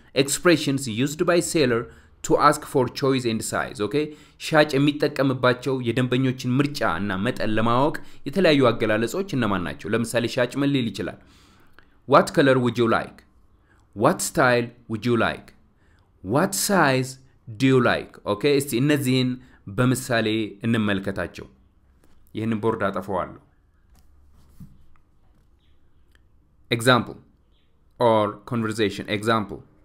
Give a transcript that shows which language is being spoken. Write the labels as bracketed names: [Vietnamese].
[English] Expressions used by seller to ask for choice and size. [Amharic] ኦኬ ሻጭ የሚጠቀምባቸው የደንበኞችን ምርጫ እና መጠን ለማወቅ የተለያዩ አገላለጾች እነማን ናቸው? ለምሳሌ ሻጭ ምን ሊል ይችላል? [English] What color would you like? What style would you like? What size do you like? [Amharic] ኦኬ እስቲ እነዚህን በምሳሌ እንመልከታቸው። ይህንን ቦርድ አጠፋዋለሁ። [English] Example or conversation example.